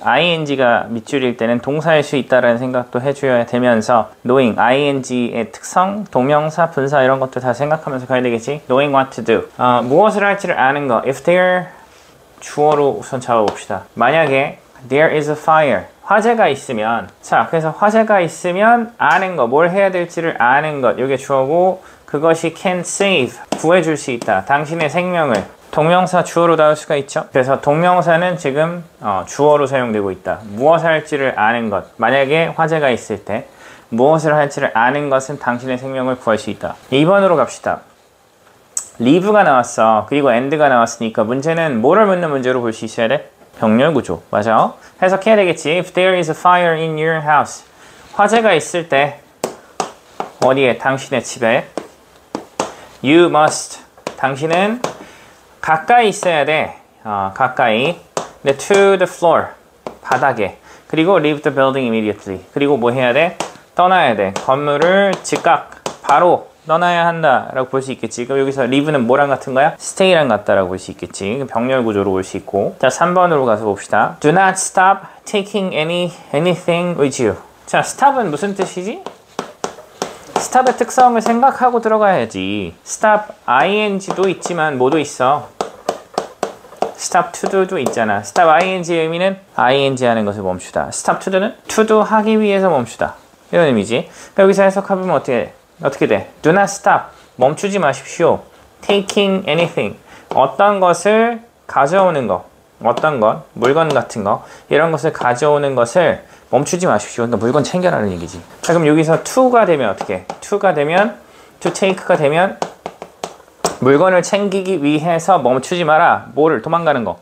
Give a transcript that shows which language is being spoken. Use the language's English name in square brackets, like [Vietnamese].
[Korean] ing가 밑줄일 때는 동사일 수 있다라는 생각도 해줘야 되면서 knowing, ing의 특성, 동명사, 분사 이런 것도 다 생각하면서 가야 되겠지? [English] knowing what to do. [Korean] 무엇을 할지를 아는 거. if there 주어로 우선 잡아봅시다. [English] 만약에 there is a fire. [Korean] 화재가 있으면 자, 그래서 화재가 있으면 아는 거. 뭘 해야 될지를 아는 것. 이게 주어고 그것이 can save. 구해줄 수 있다. 당신의 생명을. 동명사 주어로 다룰 수가 있죠. 그래서 동명사는 지금 주어로 사용되고 있다. 무엇을 할지를 아는 것. 만약에 화재가 있을 때 무엇을 할지를 아는 것은 당신의 생명을 구할 수 있다. 2번으로 갑시다. leave가 나왔어. 그리고 end가 나왔으니까 문제는 뭐를 묻는 문제로 볼 수 있어야 돼? 병렬 구조. 맞아. 해석해야 되겠지. [English] If there is a fire in your house. [Korean] 화재가 있을 때 어디에? 당신의 집에. [English] You must. [Korean] 당신은 가까이 있어야 돼. 가까이. [English] To the floor. [Korean] 바닥에. [English] 그리고 leave the building immediately. [Korean] 그리고 뭐 해야 돼? 떠나야 돼. 건물을 즉각 바로 떠나야 한다 라고 볼 수 있겠지. 그럼 여기서 leave는 뭐랑 같은 거야? stay랑 같다라고 볼 수 있겠지. 병렬 구조로 볼 수 있고. 자, 3번으로 가서 봅시다. [English] Do not stop taking anything with you. [Korean] 자, stop은 무슨 뜻이지? stop의 특성을 생각하고 들어가야지. stop ing도 있지만 뭐도 있어. stop to do도 있잖아. stop ing의 의미는 ing 하는 것을 멈추다. stop to do는 to do 하기 위해서 멈추다. 이런 의미지. 그럼 여기서 해석하면 어떻게 돼? [English] Do not stop. [Korean] 멈추지 마십시오. [English] Taking anything. [Korean] 어떤 것을 가져오는 것. 어떤 것. 물건 같은 거. 이런 것을 가져오는 것을 멈추지 마십시오. 그러니까 물건 챙겨라는 얘기지. 자, 그럼 여기서 to가 되면 어떻게? To가 되면, to take가 되면 물건을 챙기기 위해서 멈추지 마라. 뭐를? 도망가는 거.